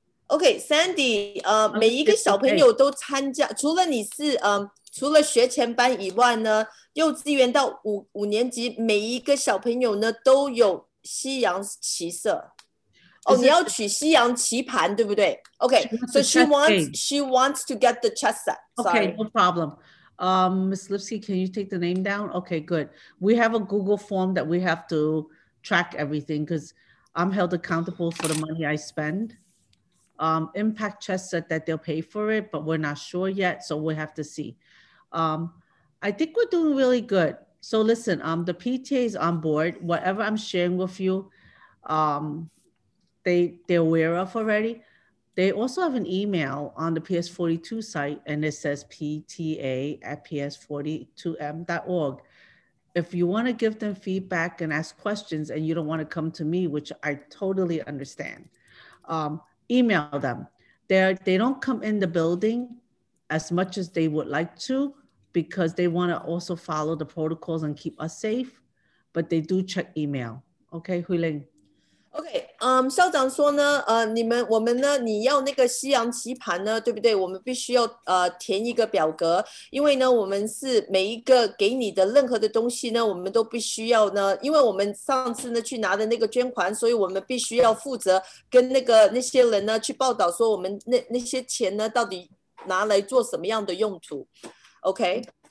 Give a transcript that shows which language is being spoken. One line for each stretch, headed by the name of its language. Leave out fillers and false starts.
Chinese: Okay, Sandy, 每一个小朋友都参加, 除了你是, 除了学前班以外呢, 幼稚园到五年级, 每一个小朋友呢, 都有西洋棋色。 Oh, 你要取西洋棋盘, 对不对?
English: Okay, so she wants to get the chess set. Sorry. Okay, no problem. Ms. Lipsky, can you take the name down? Okay, good. We have a Google form that we have to track everything because I'm held accountable for the money I spend. Impact Chess said that they'll pay for it, but we're not sure yet, so we'll have to see. I think we're doing really good. So listen, the PTA is on board. Whatever I'm sharing with you, they're aware of already. They also have an email on the PS42 site, and it says pta@ps42m.org. If you want to give them feedback and ask questions and you don't want to come to me, which I totally understand, email them. They don't come in the building as much as they would like to because they want to also follow the protocols and keep us safe, but they do check email. Okay, Huiling.
Chinese: Okay, 校长说呢, 我们呢, 你要那个西洋棋盘呢, 对不对? 我们必须要, 填一个表格, 因为呢, 我们是每一个给你的任何的东西呢, 我们都必须要呢, 因为我们上次呢, 去拿的那个捐款, 所以我们必须要负责跟那个那些人呢, 去报导说, 我们那些钱呢, 到底拿来做什么样的用途, okay?